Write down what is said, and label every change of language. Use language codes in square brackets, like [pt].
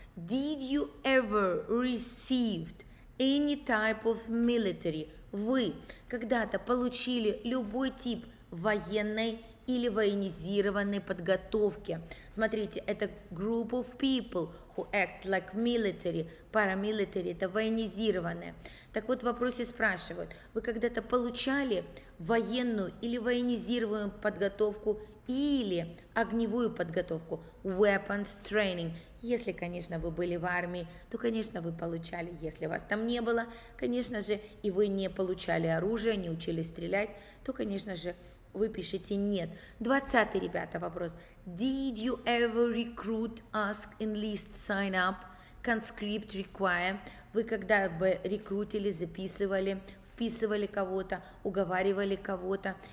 [en] Did you ever received any type of military? [ru] Вы когда-то получили любой тип военной или военизированной подготовки? Смотрите, это [en] group of people who act like military, paramilitary, [ru] это военизированное. Так вот, в вопросе спрашивают, вы когда-то получали военную или военизированную подготовку или огневую подготовку, [en] weapons training? [ru] Если, конечно, вы были в армии, то, конечно, вы получали. Если вас там не было, конечно же, и вы не получали оружие, не учились стрелять, то, конечно же, вы пишете «нет». 20-й, ребята, вопрос. [en] Did you ever recruit, ask, enlist, sign up, conscript, require? [ru] Вы когда бы рекрутили, записывали, вписывали кого-то, уговаривали кого-то?